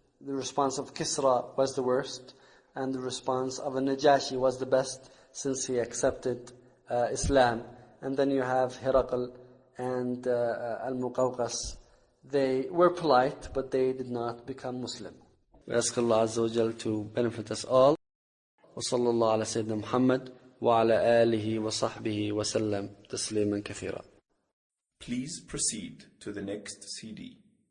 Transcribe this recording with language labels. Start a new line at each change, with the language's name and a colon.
English: The response of Kisra was the worst, and the response of An-Najashi was the best, since he accepted Islam. And then you have Hiraqal and Al-Muqawqas. They were polite, but they did not become Muslim. We ask Allah Azza wa Jal to benefit us all.
Arabic: وصلى الله على سيدنا محمد وعلى آله وصحبه وسلم تسليما كثيرا.
English: Please proceed to the next CD.